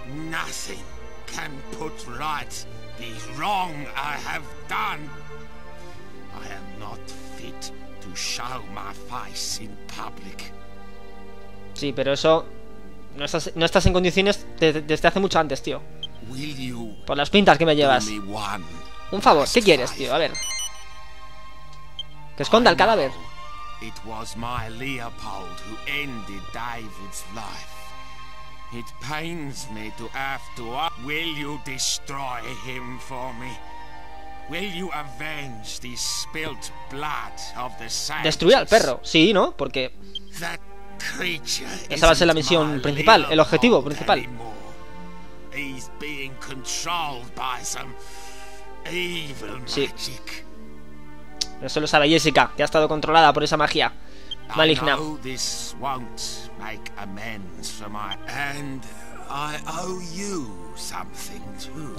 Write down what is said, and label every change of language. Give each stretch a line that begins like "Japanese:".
English: Nothing can put right the wrong I have done. I am not fit to show my face in public.
Spanish: Sí, pero eso no estás en condiciones desde hace mucho antes, tío. Por las pintas que me llevas. Un favor, ¿qué quieres, tío? A ver. Que esconda el cadáver.
English: It was my Leopold who ended David's life. It pains me to have to ask. Will you destroy him for me? Will you avenge the spilt blood of the sages?
Spanish: Destruir al perro, sí, ¿no? Porque
English: that creature
Spanish: esa va a ser la misión principal, el objetivo principal.
English: He's being controlled by some evil magic.
Spanish: Sí. Eso lo sabe Jessica, que ha estado controlada por esa magia maligna.
English: I know this won't make amends for my and I owe you something too.